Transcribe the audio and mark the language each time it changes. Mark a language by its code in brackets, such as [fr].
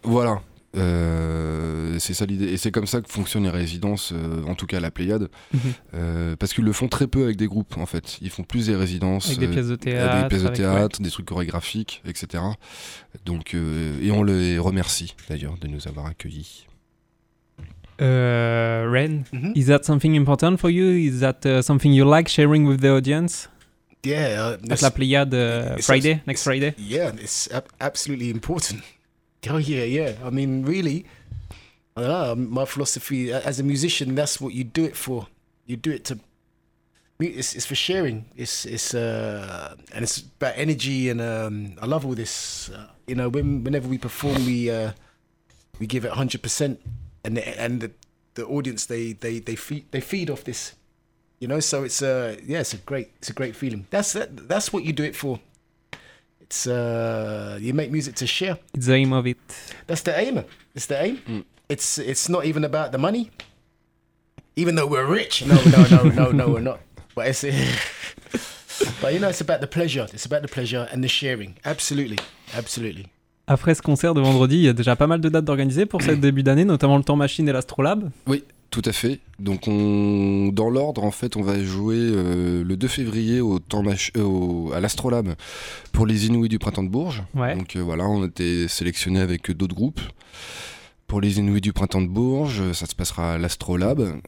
[fr] Voilà, c'est ça l'idée, et c'est comme ça que fonctionnent les résidences, en tout cas la Pléiade, parce qu'ils le font très peu avec des groupes en fait, ils font plus des résidences, avec des pièces de théâtre, des trucs chorégraphiques, etc. Donc, et on les remercie d'ailleurs de nous avoir accueillis. Ren, mm-hmm. [en] Is that something important for you? Is that something you like sharing with the audience? Yeah, at La Pléiade Friday. Yeah, it's absolutely important. Oh yeah, yeah. I mean, really, I don't know, my philosophy as a musician, that's what you do it for. You do it to. It's for sharing. It's and it's about energy and I love all this. You know, whenever we perform, we give it 100%. And the audience they feed off this, you know. So it's a great feeling. That's what you do it for. It's you make music to share. It's the aim of it. That's the aim. It's the aim. Mm. It's not even about the money. Even though we're rich. No, we're not. But it's but you know, it's about the pleasure. It's about the pleasure and the sharing. Absolutely, absolutely. [fr] Après ce concert de vendredi, il y a déjà pas mal de dates d'organiser pour cette début d'année, notamment le Temps Machine et l'Astrolabe. Oui, tout à fait. Donc dans l'ordre, en fait, on va jouer le 2 février au Temps Machine, à l'Astrolabe pour les Inouïs du Printemps de Bourges. Ouais. Donc on a été sélectionné avec d'autres groupes. Pour les Inouïs du Printemps de Bourges, ça se passera à l'Astrolabe.